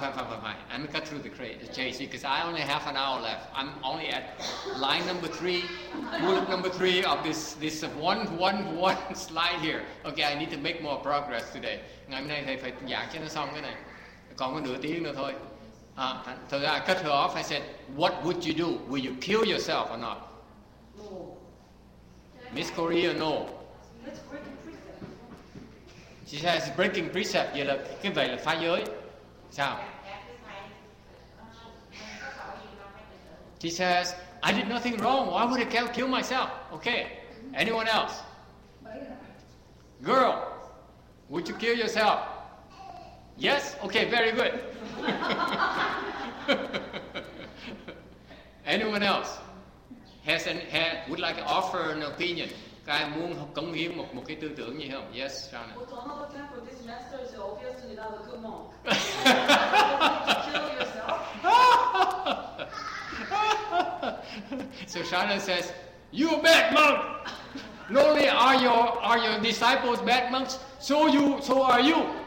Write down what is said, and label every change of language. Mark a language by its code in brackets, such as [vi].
[en] I'm gonna cut through the chase because I only have an hour left. I'm only at line number three, bullet number three of this one slide here. Okay, I need to make more progress today. [vi] Ngày hôm nay thầy phải giảng cho nó xong cái này. Còn có nửa tiếng nữa thôi. Thật ra, [en] I cut her off. I said, what would you do? Will you kill yourself or not? Miss Korea, no. She says breaking precept. [vi] Vậy là cái vậy là phá giới. Sao? [en] She says I did nothing wrong. Why would I kill myself? Okay. Anyone else? Girl, would you kill yourself? Yes. Okay. Very good. Anyone else? Would like to offer an opinion? [vi] Cái muốn cống hiến một cái tư tưởng gì không? [en] Yes, Sean. Well, don't have a plan for this master, so obviously not a good monk. You kill yourself. So Sean says, you're a bad monk! Not only are your disciples bad monks, so are you.